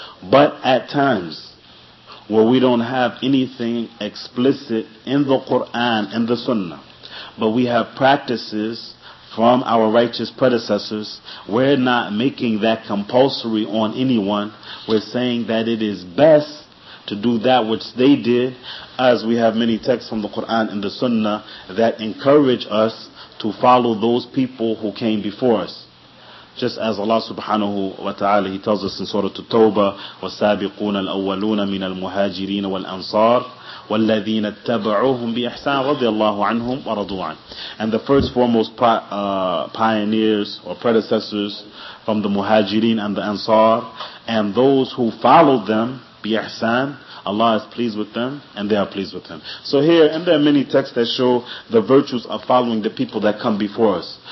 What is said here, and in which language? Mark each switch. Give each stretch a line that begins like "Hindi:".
English: But at times where we don't have anything explicit in the Qur'an and the Sunnah, but we have practices from our righteous predecessors, we're not making that compulsory on anyone. We're saying that it is best to do that which they did, as we have many texts from the Qur'an and the Sunnah that encourage us to follow those people who came before us. Just as Allah subhanahu wa ta'ala, He tells us in Surah At-Tawbah,
Arabic: وَالسَّابِقُونَ الْأَوَّلُونَ مِنَ الْمُهَاجِرِينَ وَالْأَنصَارِ وَالَّذِينَ اتَّبَعُوهُمْ بِإِحْسَانٍ رَضِيَ اللَّهُ عَنْهُمْ وَرَضُوا عَنْهُ.
English: And the first foremost pioneers or predecessors from the Muhajirin and the Ansar, and those who followed them, بِإِحْسَانٍ, Allah is pleased with them and they are pleased with Him. So here, and there are many texts that show the virtues of following the people that come before us.